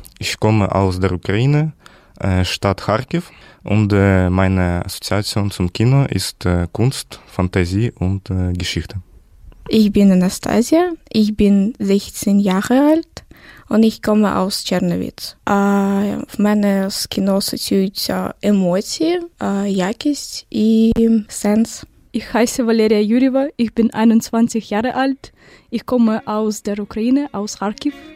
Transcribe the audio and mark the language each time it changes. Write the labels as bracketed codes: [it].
[de] Ich komme aus der Ukraine, Stadt Kharkiv. Und meine Assoziation zum Kino ist Kunst, Fantasie und Geschichte. Ich bin Anastasia, ich bin 16 Jahre alt und ich komme aus Чернівці. [uk] В мене з кіно асоціюються емоції, якість і сенс. [de] Ich heiße Валерія Юрєва, ich bin 21 Jahre alt, ich komme aus der Ukraine, aus Kharkiv.